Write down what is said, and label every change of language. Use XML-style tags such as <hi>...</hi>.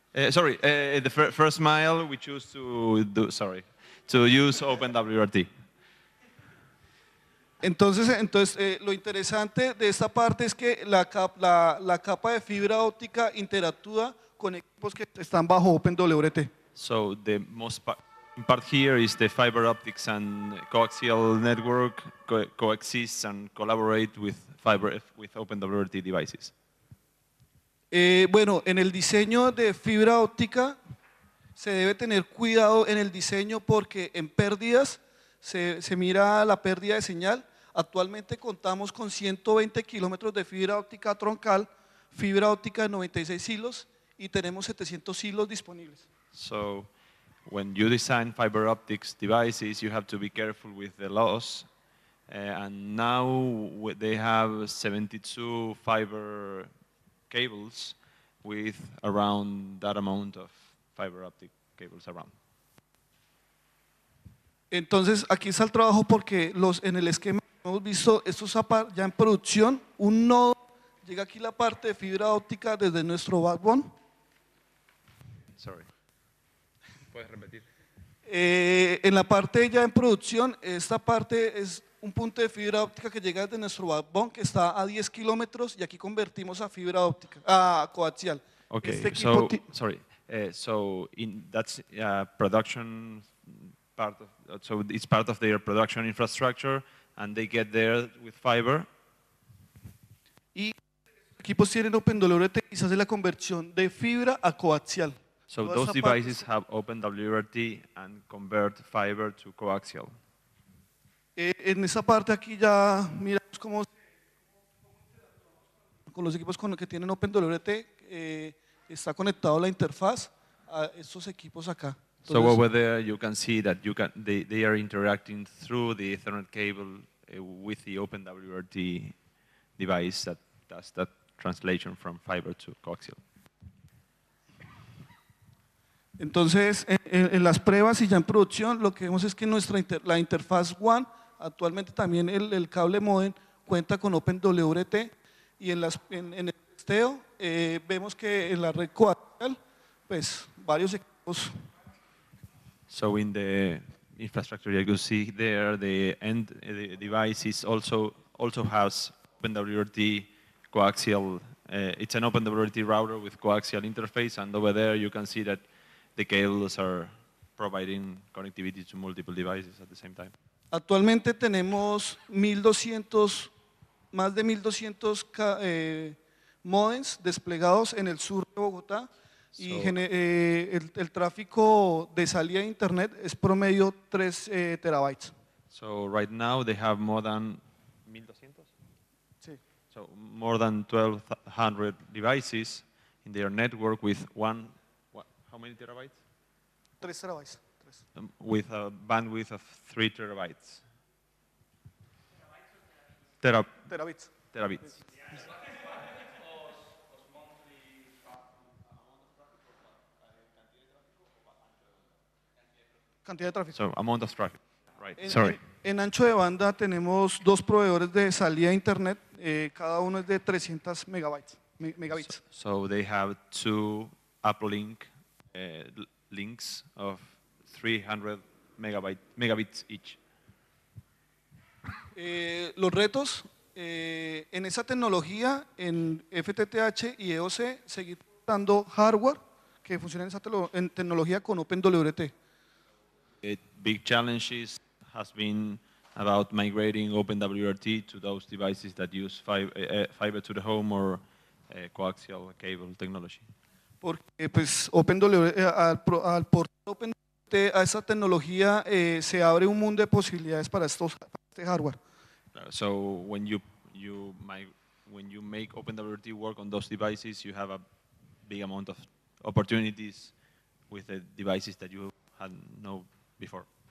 <en>Sorry. The first mile we choose to do. Sorry. To use OpenWRT.</en> <es>Entonces, lo interesante de esta parte es que la capa de fibra óptica interactúa con equipos que están bajo OpenWRT.</es> <en>So the most part here is the fiber optics and coaxial network coexists and collaborate with with OpenWRT devices.</en> <es>Bueno, en el diseño de fibra óptica se debe tener cuidado en el diseño porque en pérdidas se mira la pérdida de señal. Actualmente contamos con 120 kilómetros de fibra óptica troncal, fibra óptica de 96 hilos y tenemos 700 hilos disponibles.</es> <en>So, when you design fiber optics devices, you have to be careful with the loss. And now they have 72 fiber cables with around that amount of fiber optic cables around.</en> <es>Entonces, aquí está el trabajo porque en el esquema hemos visto, esto está ya en producción, un nodo Llega aquí la parte de fibra óptica desde nuestro backbone.</es> <en>Sorry.</en> <es>Puedes repetir. En la parte ya en producción, esta parte es un punto de fibra óptica que llega desde nuestro backbone, que está a 10 kilómetros, y aquí convertimos a fibra óptica, a coaxial.</es> <en>Okay,</en> <es>este equipo</es> <en>so in that's production part of, so it's part of their production infrastructure, and they get there with fiber.</en> <es>Y equipos tienen OpenWRT y se hace la conversión de fibra a coaxial.</es> <en>So those devices have OpenWRT and convert fiber to coaxial.</en> <es>En esa parte aquí ya miramos cómo con los equipos con los que tienen OpenWRT está conectado la interfaz a estos equipos acá.</es> <en>So over there you can see that you can they are interacting through the Ethernet cable with the OpenWRT device that does that translation from fiber to coaxial.</en> <es>Entonces, en las pruebas y ya en producción, lo que vemos es que nuestra la interfaz WAN, actualmente también el cable modem cuenta con OpenWRT, y en el testeo vemos que en la red coaxial, pues varios equipos.</es> <en>So in the infrastructure you can see there, the end the devices also has OpenWRT coaxial. It's an OpenWRT router with coaxial interface, and over there you can see that the cables are providing connectivity to multiple devices at the same time.</en> <es>Actualmente tenemos 1,200, más de 1,200 modems desplegados en el sur de Bogotá, y el tráfico de salida de internet es promedio 3 terabytes.</es> <en>So right now they have more than 1,200?</en> <es>Sí.</es> <en>So more than 1,200 devices in their network with one. How many terabytes? 3 terabytes. With a bandwidth of 3 terabytes. Terabits. Terabits.</en> <es>Cantidad de tráfico.</es> <en>So, amount of traffic. Right. Sorry.</en> <es>En ancho de banda tenemos dos proveedores de salida a internet. Cada uno es de 300 megabytes. Megabits.</es> <en>So they have two uplink. Links of 300 megabits each.</en> <es>Los retos en esa tecnología en FTTH y EOC, seguir dando hardware que funcione en esa en tecnología con OpenWRT.</es> <en>Big challenges has been about migrating OpenWRT to those devices that use fiber to the home or coaxial cable technology.</en> <es>Porque pues al portar OpenWRT a esa tecnología se abre un mundo de posibilidades para este hardware.</es> <en>So when you make OpenWRT work on those devices, you have a big amount of opportunities with the devices that you had no before.</en>